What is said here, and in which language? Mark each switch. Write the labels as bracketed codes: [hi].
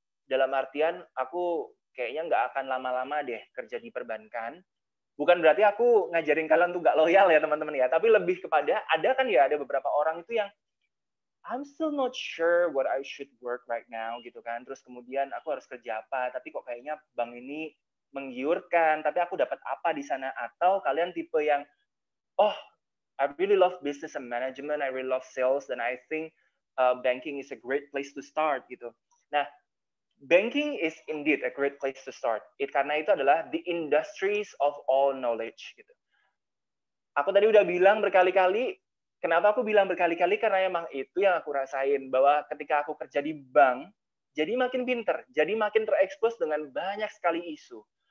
[id] Dalam artian, aku kayaknya nggak akan lama-lama deh kerja di perbankan. Bukan berarti aku ngajarin kalian tuh nggak loyal ya, teman-teman ya. Tapi lebih kepada, ada kan ya, ada beberapa orang itu yang [en] I'm still not sure what I should work right now, [id] gitu kan. Terus kemudian, aku harus kerja apa. Tapi kok kayaknya bank ini menggiurkan. Tapi aku dapat apa di sana. Atau kalian tipe yang, oh, [en] I really love business and management. I really love sales. And I think banking is a great place to start, [id] gitu. [en] Nah, banking is indeed a great place to start. [id] Karena itu adalah [en] the industries of all knowledge. [id] Gitu. Aku tadi udah bilang berkali-kali, kenapa aku bilang berkali-kali? Karena emang itu yang aku rasain, bahwa ketika aku kerja di bank, jadi makin pinter, jadi makin terekspos dengan banyak sekali isu.